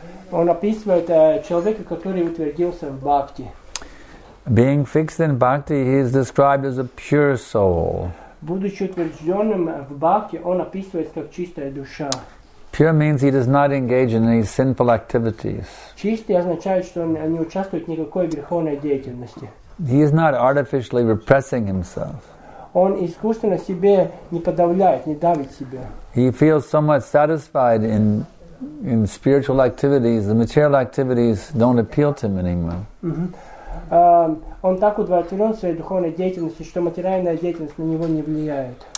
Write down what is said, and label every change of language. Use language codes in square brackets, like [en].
[ru] Он описывает человека, который утвердился в бхакти. [en] Being fixed in bhakti, he is described as a pure soul. [ru] Будучи утвержденным в бхакти, он описывается как чистая душа. [en] Pure means he does not engage in any sinful activities. [ru] Чистый означает, что он не участвует в никакой греховной деятельности. [en] He is not artificially repressing himself. [ru] Он искусственно себе не подавляет, не давит себя. [en] He feels so much satisfied in spiritual activities. The material activities don't appeal to him anymore. [ru] Он так удовлетворен своей духовной деятельностью, что материальная деятельность на него не влияет.